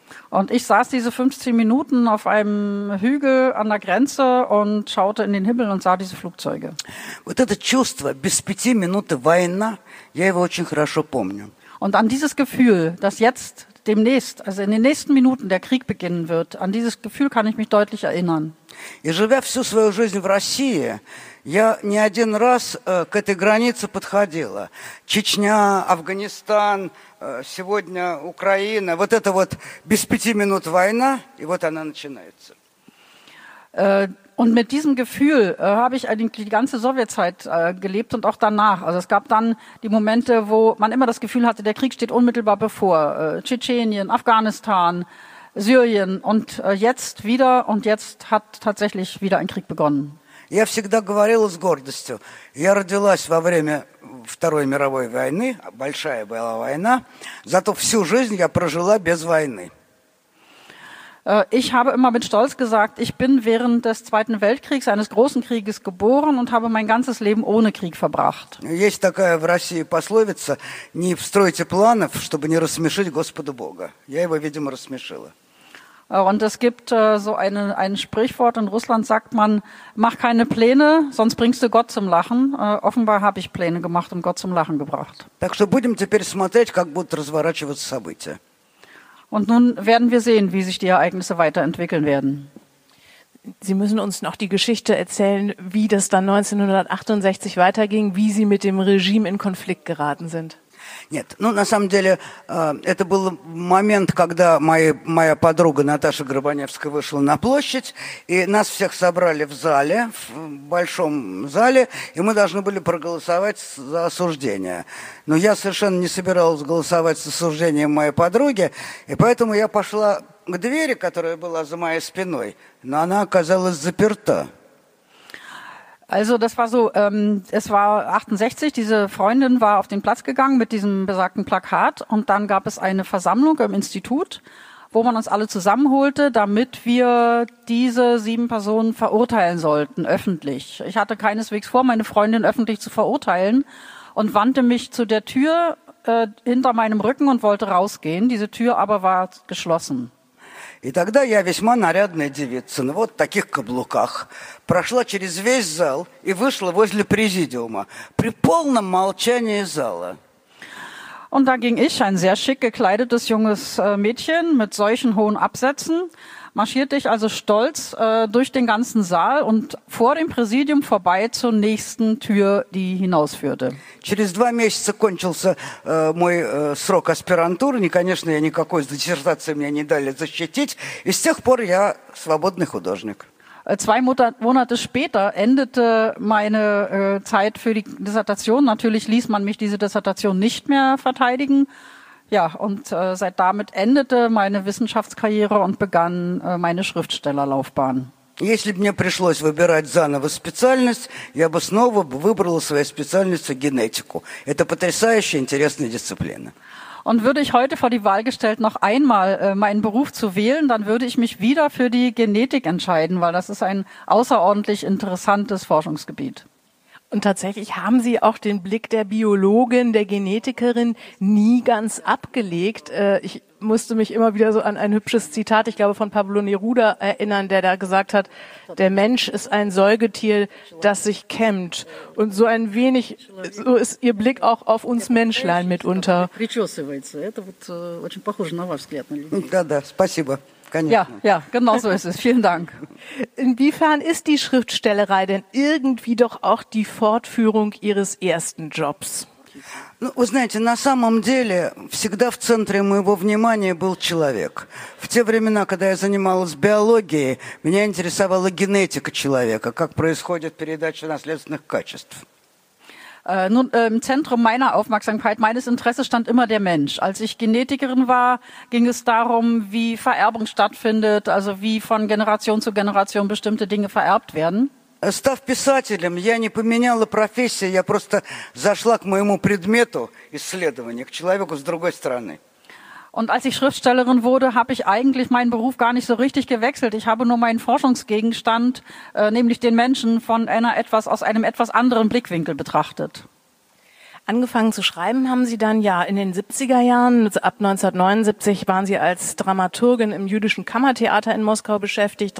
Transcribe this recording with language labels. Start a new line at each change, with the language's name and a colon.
German: Und ich saß diese 15 Minuten auf einem Hügel an der Grenze und schaute in den Himmel und sah diese Flugzeuge.
Russian: Вот это чувство, без пяти минуты война, я его очень хорошо помню.
German: Und an dieses Gefühl, dass jetzt demnächst, also in den nächsten Minuten der Krieg beginnen wird, an dieses Gefühl kann ich mich deutlich erinnern.
Russian: И живя всю свою жизнь в России, я не один раз к этой границе подходила. Чечня, Афганистан, сегодня Украина. Вот это вот без пяти минут война, и вот она начинается.
German: Und mit diesem Gefühl habe ich eigentlich die ganze Sowjetzeit gelebt und auch danach. Also es gab dann die Momente, wo man immer das Gefühl hatte, der Krieg steht unmittelbar bevor. Tschetschenien, Afghanistan, Syrien und jetzt wieder. Und jetzt hat tatsächlich wieder ein Krieg begonnen.
Russian: Я всегда говорила с гордостью. Я родилась во время Второй мировой войны, большая была война. Зато всю жизнь я прожила без войны.
German: Ich habe immer mit Stolz gesagt, ich bin während des Zweiten Weltkriegs, eines großen Krieges, geboren und habe mein ganzes Leben ohne Krieg verbracht.
Russian: Есть такая в России пословица: не строите планов, чтобы не рассмешить Господа Бога. Я его, видимо, рассмешила.
German: Und es gibt so ein Sprichwort, in Russland sagt man, mach keine Pläne, sonst bringst du Gott zum Lachen. Offenbar habe ich Pläne gemacht und Gott zum Lachen gebracht.
Russian: Так что будем теперь смотреть, как будут разворачиваться события.
German: Und nun werden wir sehen, wie sich die Ereignisse weiterentwickeln werden. Sie müssen uns noch die Geschichte erzählen, wie das dann 1968 weiterging, wie Sie mit dem Regime in Konflikt geraten sind.
Russian: Нет, ну на самом деле, это был момент, когда моя подруга Наташа Горбаневская вышла на площадь, и нас всех собрали в зале, в большом зале, и мы должны были проголосовать за осуждение. Но я совершенно не собиралась голосовать с осуждением моей подруги, и поэтому я пошла к двери, которая была за моей спиной, но она оказалась заперта.
German: Also das war so, es war 68, diese Freundin war auf den Platz gegangen mit diesem besagten Plakat und dann gab es eine Versammlung im Institut, wo man uns alle zusammenholte, damit wir diese 7 Personen verurteilen sollten, öffentlich. Ich hatte keineswegs vor, meine Freundin öffentlich zu verurteilen und wandte mich zu der Tür hinter meinem Rücken und wollte rausgehen, diese Tür aber war geschlossen.
Russian: И тогда я весьма нарядная девица, ну вот в таких каблуках, прошла через весь зал и вышла возле президиума при полном молчании зала.
German: Und da ging ich, ein sehr schick gekleidetes junges Mädchen mit solchen hohen Absätzen, marschierte ich also stolz durch den ganzen Saal und vor dem Präsidium vorbei zur nächsten Tür, die hinausführte.
Russian: Через 2 месяца кончился мой срок аспирантуры, и, конечно, я никакой диссертации мне не дали защитить, и с тех пор я свободный художник.
German: 2 Monate später endete meine Zeit für die Dissertation. Natürlich ließ man mich diese Dissertation nicht mehr verteidigen. Ja, und seit damit endete meine Wissenschaftskarriere und begann meine Schriftstellerlaufbahn.
Russian: Если бы мне пришлось выбирать заново специальность, я бы снова выбрала своей специальностью генетику. Это потрясающе интересная дисциплина.
German: Und würde ich heute vor die Wahl gestellt, noch einmal meinen Beruf zu wählen, dann würde ich mich wieder für die Genetik entscheiden, weil das ist ein außerordentlich interessantes Forschungsgebiet. Und tatsächlich haben Sie auch den Blick der Biologin, der Genetikerin nie ganz abgelegt. Ich musste mich immer wieder so an ein hübsches Zitat, ich glaube, von Pablo Neruda erinnern, der da gesagt hat, der Mensch ist ein Säugetier, das sich kämmt. Und so ein wenig, so ist Ihr Blick auch auf uns Menschlein mitunter.
Russian: Да, спасибо.
German: Ja, ja, genau so ist es. Vielen Dank. Inwiefern ist die Schriftstellerei denn irgendwie doch auch die Fortführung Ihres ersten Jobs?
Russian: Ну, вы знаете, на самом деле всегда в центре моего внимания был человек. В те времена, когда я занималась биологией, меня интересовала генетика человека, как происходит передача наследственных качеств.
German: Nun, im Zentrum meiner Aufmerksamkeit, meines Interesses stand immer der Mensch. Als ich Genetikerin war, ging es darum, wie Vererbung stattfindet, also wie von Generation zu Generation bestimmte Dinge vererbt werden.
Russian: Став писателем, я не поменяла профессии, я просто зашла к моему предмету исследования, к человеку с другой стороны.
German: Und als ich Schriftstellerin wurde, habe ich eigentlich meinen Beruf gar nicht so richtig gewechselt. Ich habe nur meinen Forschungsgegenstand, nämlich den Menschen, von einer etwas aus einem etwas anderen Blickwinkel betrachtet. Angefangen zu schreiben haben Sie dann ja in den 70er Jahren. Ab 1979 waren Sie als Dramaturgin im jüdischen Kammertheater in Moskau beschäftigt.